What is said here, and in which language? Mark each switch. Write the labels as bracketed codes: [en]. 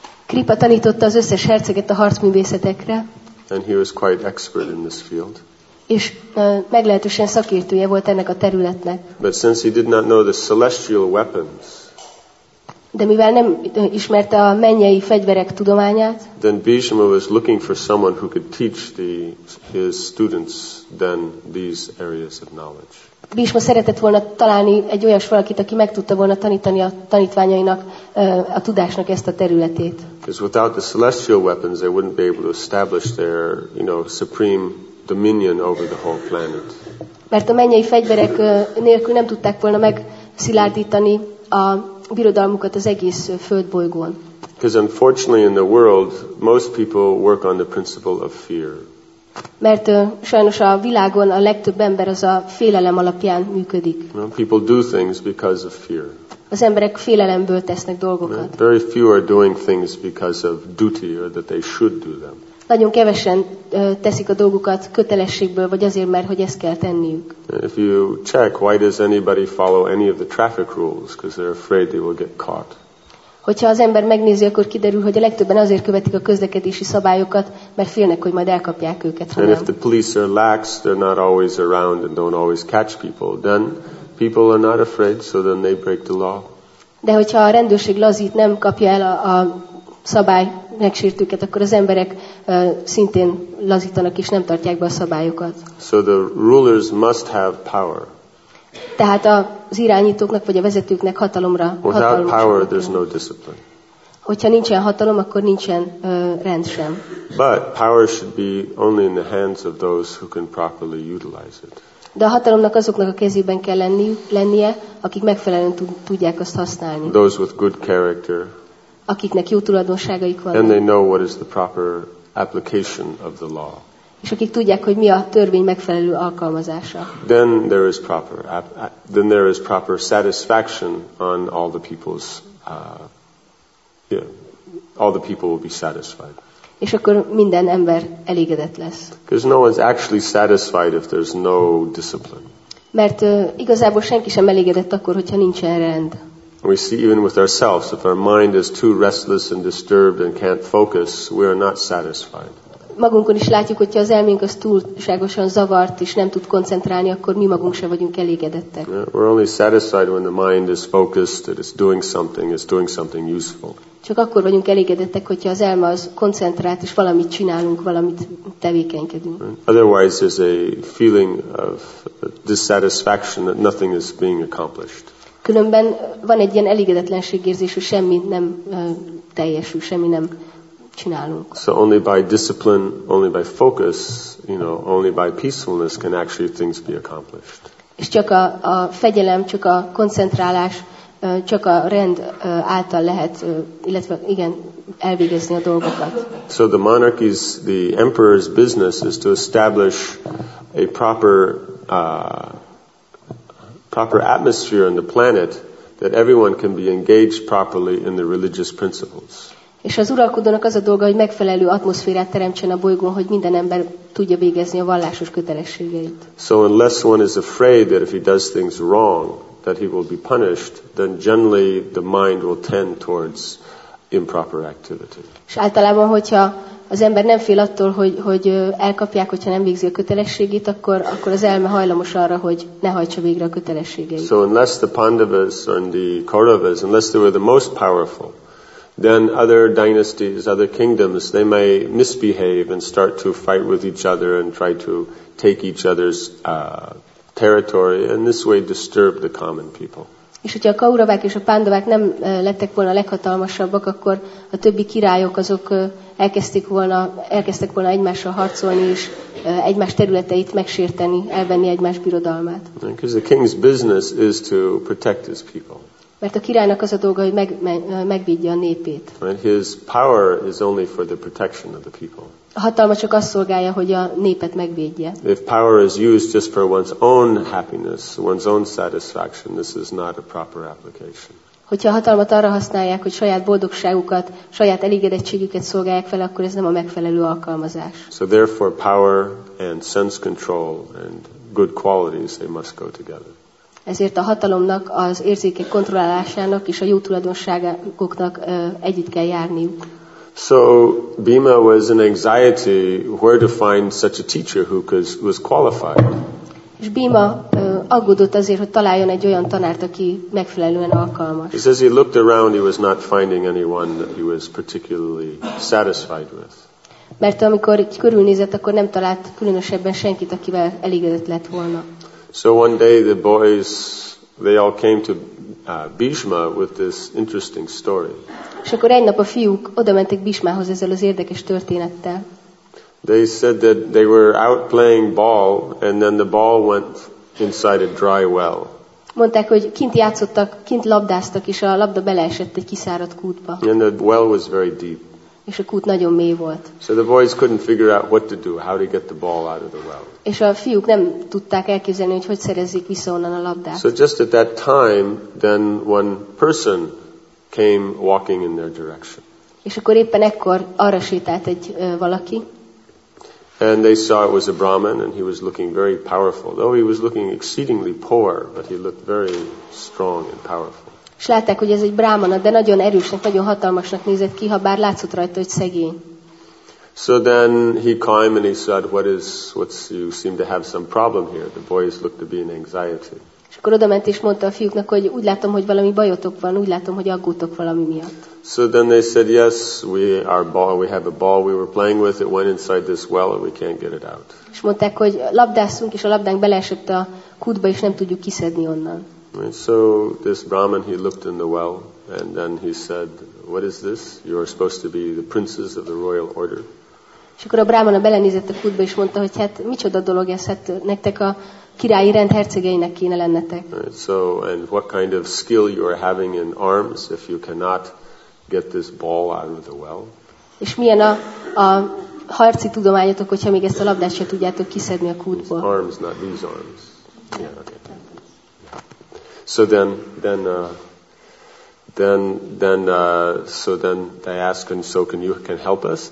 [hu] Kripa tanította az összes herceget a harcművészetekre. [en] And he was quite expert in this field. [hu] És meglehetősen szakértője volt ennek a területnek. [en] But since he did not know the celestial weapons. [hu] De mivel nem ismerte a mennyei fegyverek tudományát. [en] Then Bhishma was looking for someone who could teach the his students then these areas of knowledge. [hu] Bhishma szeretett volna találni egy olyas valakit, aki meg tudta volna tanítani a tanítványainak a tudásnak ezt a területét. [en] Because without the celestial weapons, they wouldn't be able to establish their, you know, supreme dominion over the whole planet. [hu] Mert a mennyei fegyverek nélkül nem tudták volna megszilárdítani a birodalmukat az egész földbolygón. [en] Because unfortunately in the world most people work on the principle of fear. [hu] Mert sajnos a világon a legtöbb ember az a félelem alapján működik. [en] People do things because of fear. [hu] Az emberek félelemből tesznek dolgokat. [en] Very few are doing things because of duty or that they should do them. [hu] Nagyon kevesen teszik a dolgokat kötelességből vagy azért, mert hogy ezt kell tenniük. [en] If you check, why does anybody follow any of the traffic rules? Because they're afraid they will get caught. [hu] Hogyha az ember megnézi, akkor kiderül, hogy a legtöbben azért követik a közlekedési szabályokat, mert félnek, hogy majd elkapják őket. [en] And if the police are lax, they're not always around and don't always catch people. Then people are not afraid, so then they break the law. [hu] De hogyha a rendőrség lazít, nem kapja el a szabály megsértőket, akkor az emberek szintén lazítanak és nem tartják be a szabályokat. [en] So the rulers must have power. [hu] Tehát az irányítóknak vagy a vezetőknek hatalomra [en] Without power, there's no discipline. [hu] Hogyha nincsen hatalom, akkor nincsen rend sem. [en] But power should be only in the hands of those who can properly utilize it. [hu] De a hatalomnak azoknak a kezében kell lennie, akik megfelelően tudják azt használni. [en] Those with good character. [hu] Akiknek jó tulajdonságaik van. [en] And they know what is the proper application of the law. [hu] És akik tudják, hogy mi a törvény megfelelő alkalmazása. [en] Then there is proper satisfaction on all the people's all the people will be satisfied. [hu] És akkor minden ember elégedett lesz. [en] Because no one's actually satisfied if there's no discipline. [hu] Mert igazából senki sem elégedett akkor, hogyha nincsen rend. [en] We see even with ourselves, if our mind is too restless and disturbed and can't focus, we are not satisfied. [hu] Magunkon is látjuk, hogyha az elménk az túlságosan zavart és nem tud koncentrálni, akkor mi magunk sem vagyunk elégedettek. [en] We're only satisfied when the mind is focused, that it's doing something useful. [hu] Csak akkor vagyunk elégedettek, hogyha az elme az koncentrált és valamit csinálunk, valamit tevékenykedünk. [en] Otherwise, there's a feeling of dissatisfaction that nothing is being accomplished. [hu] Különben van egy ilyen elégedetlenségérzés, hogy semmi nem teljesül, semmi nem csinálunk. [en] So only by discipline, only by focus, you know, only by peacefulness can actually things be accomplished. [hu] És csak a fegyelem, csak a koncentrálás, csak a rend által lehet, illetve igen, elvégezni a dolgokat. [en] So the monarchy's, the emperor's business is to establish a proper proper atmosphere on the planet that everyone can be engaged properly in the religious principles. [hu] És az uralkodónak az a dolga, hogy megfelelő atmoszférát teremtsen a bolygón, hogy minden ember tudja végezni a vallásos kötelességeit. [en] So unless one is afraid that if he does things wrong that he will be punished, then generally the mind will tend towards improper activity. [hu] És általában, hogyha az ember nem fél attól, hogy elkapják, hogyha nem végzi a kötelességét, akkor az elme hajlamos arra, hogy ne hajtsa végre a kötelességeit. [en] So unless the Pandavas and the Kauravas, unless they were the most powerful, then other dynasties, other kingdoms, they may misbehave and start to fight with each other and try to take each other's territory, and this way disturb the common people. [hu] És hogyha a Kauravák és a Pándavák nem lettek volna leghatalmasabbak, akkor a többi királyok azok elkezdtek volna egymással harcolni és egymás területeit megsérteni, elvenni egymás birodalmát. [en] Because the king's business is to protect his people. [hu] Mert a királynak az a dolga, hogy megvédje a népét. [en] And his power is only for the protection of the people. [hu] A hatalma csak azt szolgálja, hogy a népet megvédje. [en] If power is used just for one's own happiness, one's own satisfaction, this is not a proper application. [hu] Hogyha a hatalmat arra használják, hogy saját boldogságukat, saját elégedettségüket szolgálják fel, akkor ez nem a megfelelő alkalmazás. [en] So therefore power and sense control and good qualities, they must go together. [hu] Ezért a hatalomnak, az érzékek kontrollálásának és a jó tulajdonságoknak együtt kell járniuk. [en] So Bhima was in anxiety where to find such a teacher who was qualified. [hu] És Bhima aggódott azért, hogy találjon egy olyan tanárt, aki megfelelően alkalmas. [en] He says he looked around, he was not finding anyone that he was particularly satisfied with. [hu] Mert amikor körülnézett, akkor nem talált különösebben senkit, akivel elégedett lett volna. [en] So one day the boys, they all came to Bhishma with this interesting story. [hu] És akkor egy nap a fiúk oda mentek Bhishmához ezzel az érdekes történettel. [en] They said that they were out playing ball, and then the ball went inside a dry well. [hu] Mondták, hogy kint játszottak, kint labdáztak, és a labda beleesett egy kiszáradt kútba. [en] And the well was very deep. [hu] És a kút nagyon mély volt. [en] So the boys couldn't figure out what to do, how to get the ball out of the well. [hu] És a fiúk nem tudták elképzelni, hogy szerezzék vissza onnan a labdát. [en] So just at that time, then one person came walking in their direction. [hu] És akkor éppen ekkor arra sétált egy valaki. [en] And they saw it was a Brahmin, and he was looking very powerful. Though he was looking exceedingly poor, but he looked very strong and powerful. [hu] És látták, hogy ez egy brámana, de nagyon erősnek, nagyon hatalmasnak nézett ki, ha bár látszott rajta, hogy szegény. [en] So then he came and he said, what's you seem to have some problem here. The boys look to be in anxiety. [hu] És akkor odament és mondta a fiúknak, hogy úgy látom, hogy valami bajotok van, úgy látom, hogy aggódtok valami miatt. [en] So then they said, yes, we have a ball we were playing with, it went inside this well and we can't get it out. [hu] És mondták, hogy labdáztunk, és a labdánk beleesett a kútba, és nem tudjuk kiszedni onnan. [en] And so this Brahmin, he looked in the well, and then he said, what is this? You are supposed to be the princes of the royal order. [hu] És akkor a Brahmana belenézett a kútba, és mondta, hogy hát micsoda dolog ez, hát nektek a királyi rend hercegeinek kéne lennetek. [en] Right, so, and what kind of skill you are having in arms if you cannot get this ball out of the well? [hu] És milyen a harci tudományotok, hogyha még ezt a labdát se tudjátok kiszedni a kútból. [en] These arms, not these arms. Yeah, okay. So then they asked, and so can you help us?